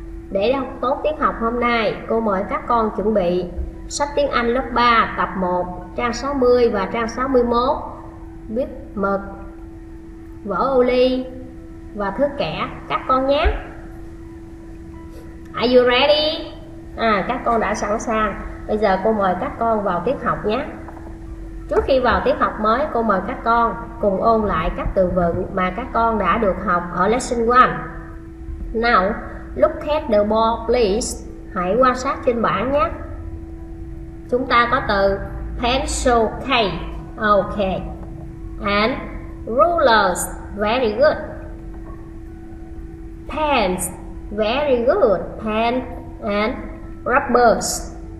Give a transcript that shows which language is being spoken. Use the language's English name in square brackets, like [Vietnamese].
[Vietnamese] Để đọc tốt tiếng học hôm nay, cô mời các con chuẩn bị sách tiếng Anh lớp 3 tập 1, trang 60 và trang 61, bút mực, vở ô ly và thước kẻ các con nhé. [English] Are you ready? [Vietnamese] Các con đã sẵn sàng. Bây giờ cô mời các con vào tiết học nhé. Trước khi vào tiết học mới, cô mời các con cùng ôn lại các từ vựng mà các con đã được học ở lesson 1. [English] Now, look at the board, please. [Vietnamese] Hãy quan sát trên bảng nhé. Chúng ta có từ pencil case. [English] Okay. And rulers. Very good. Pens. Very good. Pen and rubbers.